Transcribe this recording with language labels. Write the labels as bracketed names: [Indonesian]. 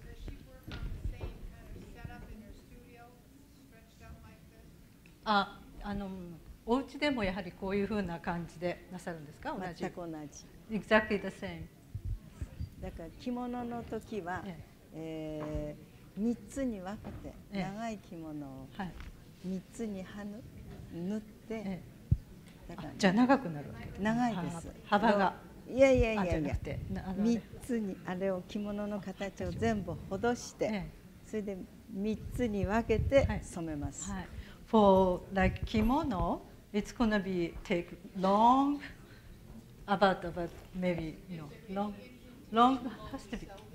[English] Does she work on the same kind of setup in her studio, stretched out like this? [Japanese] お家でもやはりこういうふうな感じでなさるんですか？同じ。全く同じ。 [English] Exactly the same. [Japanese] だから着物の時は、3つに分けて、長い着物を3つに縫って、だから、じゃあ長くなるわけ。長いです。幅が。いやいやいやいや、三つにあれを着物の形を全部ほどして、それで三つに分けて染めます。 [English] For like 着物、it's gonna be take long, about maybe you know long has to be.